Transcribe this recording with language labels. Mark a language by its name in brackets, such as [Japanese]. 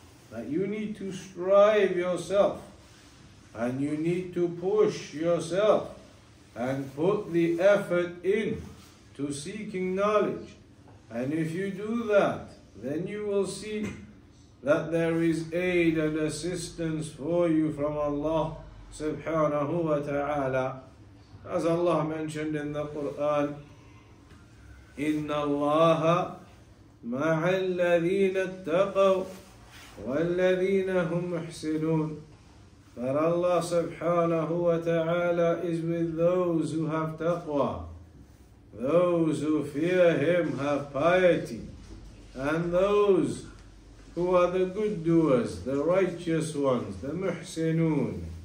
[English] That you need to strive yourself and you need to push yourself and put the effort in to seeking knowledge. And if you do that, then you will see that there is aid and assistance for you from Allah subhanahu wa ta'ala. As Allah mentioned in the Quran, [Arabic] إِنَّ اللَّهَ مَعَ الَّذِينَ اتَّقَوْا وَالَّذِينَ هُمْ مُحْسِنُونَ. [English] That Allah subhanahu wa ta'ala is with those who have taqwa, those who fear Him have piety, and those who are the good doers, the righteous ones, the muhsinun.